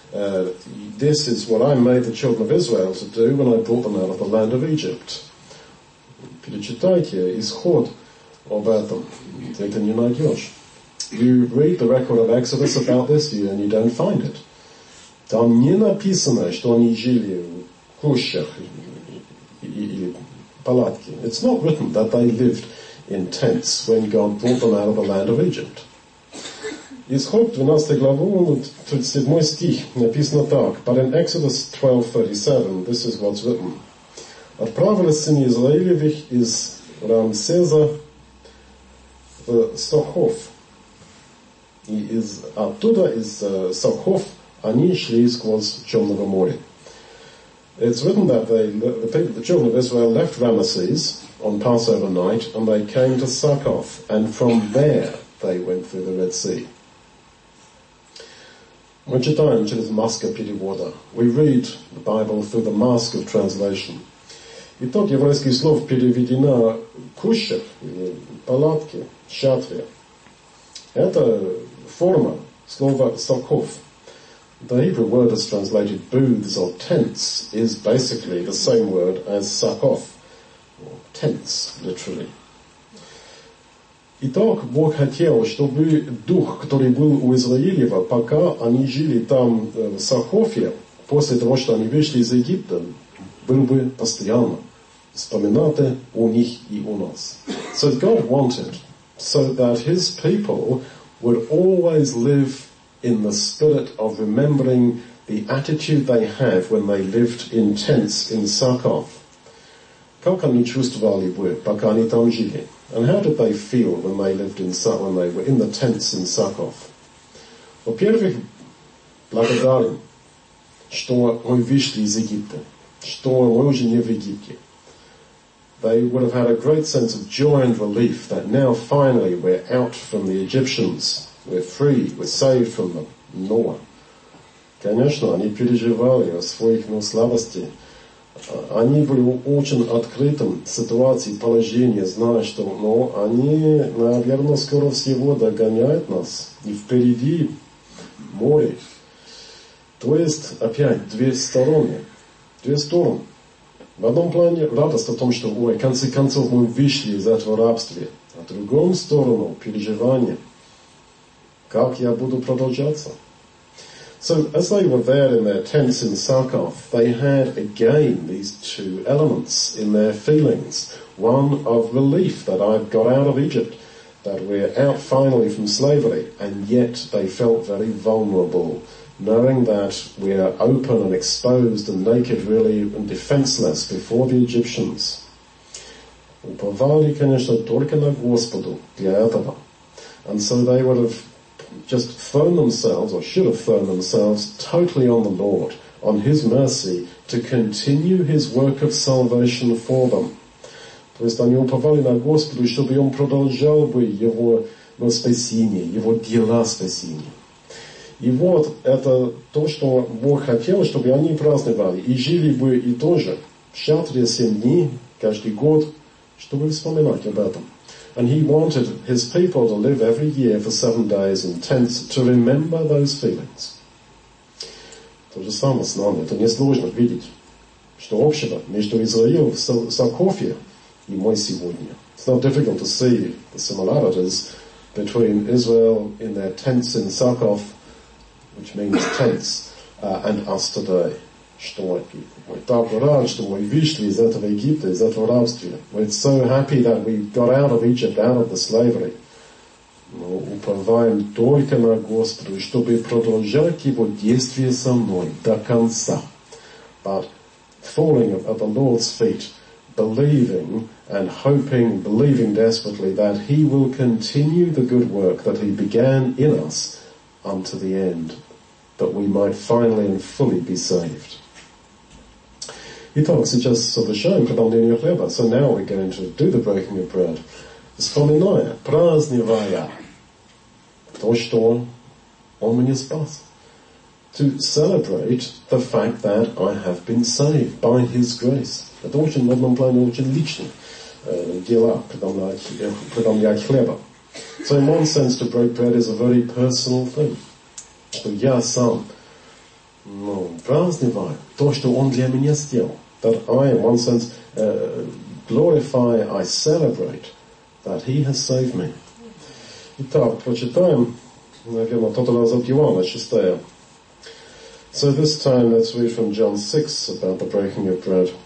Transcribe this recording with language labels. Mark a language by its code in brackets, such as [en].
[en] This is what I made the children of Israel to do when I brought them out of the land of Egypt. [ru] Перечитайте исход об этом. Ты это не найдешь. [en] You read the record of Exodus about this year and you don't find it. [ru] Там не написано, что они жили в кущах или палатке. [en] It's not written that they lived in tents when God brought them out of the land of Egypt. [ru] Исход 12 главу, 37 стих, написано так. [en] But in Exodus 12:37, this is what's written. [ru] Отправили сыны Израилевых из Рамсеза в Сохов. И из, оттуда, из Сохов, они шли сквозь Черного моря. [en] It's written that the children of Israel left Ramesses on Passover night and they came to Succoth, and from there they went through the Red Sea. [ru] Мы читаем через маска перевода. [en] We read the Bible through the mask of translation. [ru] И тот еврейский слов переведено кушер, палатки, шатве. Это форма слова сокоф. [en] The Hebrew word that's translated booths or tents is basically the same word as sakof, or tents, literally. [ru] Итак, Бог хотел, чтобы дух, который был у Израилева, пока они жили там в Сахофе, после того, что они вышли из Египта, был бы постоянно вспоминаты у них и у нас. [en] So God wanted so that his people would always live in the spirit of remembering the attitude they have when they lived in tents in Succoth. [ru] Как они чувствовали бы, пока они там жили? [en] And how did they feel when they lived in Succoth, when they were in the tents in Succoth? [ru] Во-первых, благодарен, что мы вышли из Египта, что мы уже не в Египте. [en] They would have had a great sense of joy and relief that now finally we're out from the Egyptians. We're free, we're saved from them. Noah. [ru] Конечно, они переживали о своих слабости. Они были очень открытым в ситуации, положении, зная, что но они, наверное, скоро всего догоняют нас. И впереди море. То есть, опять, две стороны. Две стороны. В одном плане радость о том, что, ой, в конце концов мы вышли из этого рабства. А в другом сторону переживание. Как я буду продолжаться? [en] So, as they were there in their tents in Succoth, they had again these two elements in their feelings. One of relief that I've got out of Egypt, that we're out finally from slavery, and yet they felt very vulnerable, knowing that we are open and exposed and naked, really, and defenseless before the Egyptians. [ru] Уповали, конечно, только на Господу для этого. [en] And so they would have just thrown themselves, or should have thrown themselves, totally on the Lord, on His mercy, to continue His work of salvation for them. [ru] То есть они уповали на Господу, чтобы Он продолжал бы Его спасение, Его дела спасения. И вот это то, что Бог хотел, чтобы они праздновали, и жили бы и тоже, в шатре 7 дней, каждый год, чтобы вспоминать об этом. [en] And he wanted his people to live every year for 7 days in tents to remember those feelings. [ru] То же самое с нами. Это несложно видеть, что общего между Израилем в Сокофе и мы сегодня. [en] It's not difficult to see the similarities between Israel in their tents in Succoth, which means tents, and us today. [ru] Что мы так рады, что мы вышли из этого Египта, из этого рабства. [en] We're so happy that we got out of Egypt, out of the slavery. [ru] Мы уповаем только на Господа, чтобы продолжать Его действие со мной до конца. [en] But falling at the Lord's feet, believing and hoping, believing desperately that He will continue the good work that He began in us unto the end, that we might finally and fully be saved. [ru] Итак, сейчас совершаем преломление хлеба. [en] So now we're going to do the breaking of bread. [ru] Вспоминая, праздновая то, что Он меня спас. [en] To celebrate the fact that I have been saved by His grace. [ru] Это очень, в одном плане, очень личное дело, преломлять хлеба. [en] So in one sense, to break bread is a very personal thing. [ru] Что я сам Ну, празднуваю то, что Он для меня сделал. [en] That I, in one sense, glorify, I celebrate that He has saved me. [ru] Итак, прочитаем, наверное, тот раз от Иоанна, 6. [en] So this time, let's read from John 6 about the breaking of bread.